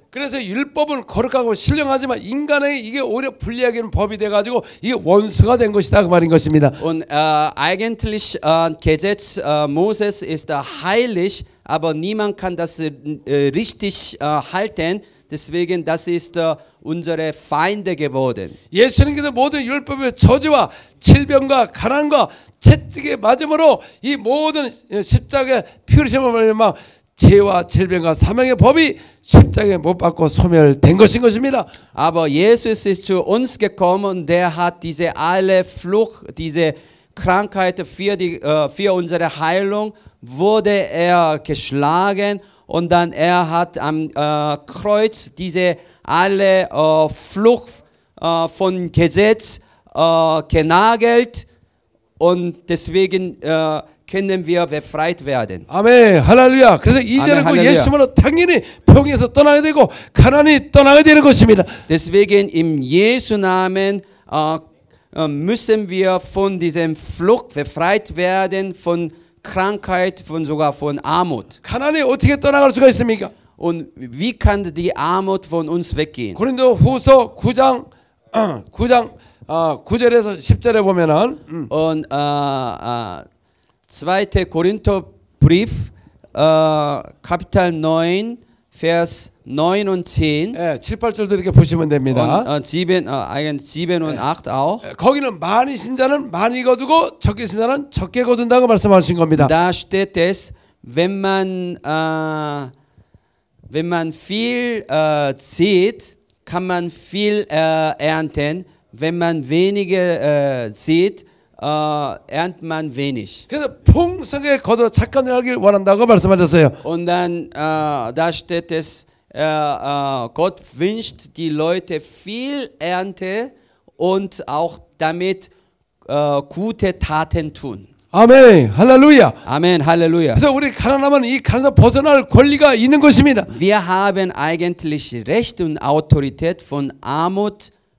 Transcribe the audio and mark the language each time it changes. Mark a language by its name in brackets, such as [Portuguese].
[Korean] 그래서 율법은 거룩하고 신령하지만 인간에게 이게 오히려 불리하게는 법이 돼 가지고 이게 원수가 된 것이다 그 말인 것입니다. [German] Und eigentlich Gesetz Moses ist heilig, aber niemand kann das richtig halten. Deswegen das ist unsere Feinde geworden. [Korean] 예수님께서 모든 율법의 저주와 질병과 가난과 채찍의 맞음으로 이 모든 십자가의 피 흘리심을 말미암아 죄와 질병과 사망의 법이 십자가에 못 박고 소멸된 것인 것입니다. [German] Aber Jesus ist zu uns gekommen, der hat diese alle Fluch, diese Krankheit für unsere Heilung wurde er geschlagen. Und dann er hat am Kreuz diese alle Fluch von Gesetz genagelt und deswegen können wir befreit werden. Amen. Halleluja. [Korean] 그래서 이제는 그 예수님으로 당연히 병에서 떠나게 되고 가난이 떠나게 되는 것입니다. [German] Deswegen im Jesu Namen müssen wir von diesem Fluch befreit werden von Krankheit von sogar von Armut. [Korean] 가난이 어떻게 떠나갈 수가 있습니까? [German] Und wie kann die Armut von uns weggehen? [Korean] 고린도후서 9장 9장 9절에서 10절에 보면은 [German] Und 2. Korintherbrief Kapitel 9 Vers 9 und 10. [Korean] 예, 7, 8절도 이렇게 보시면 됩니다. [German] 7 und 8 auch. [Korean] 거기는 많이 심자는 많이 거두고 적게 심자는 적게 거둔다고 말씀하신 겁니다. [German] Da steht es, wenn man viel sieht, kann man viel ernten. Wenn man weniger sieht, ernt man wenig. 그래서 풍성하게 거둬 착한 일을 하길 원한다고 말씀하셨어요. Und dann da steht es, Gott wünscht die Leute viel Ernte und auch damit gute Taten tun. [Korean] 아멘, 할렐루야. 아멘, 할렐루야. 그래서 우리 가난하면 이 가난에서 벗어날 권리가 있는 것입니다. [German] Wir haben eigentlich Recht und Autorität von Armut.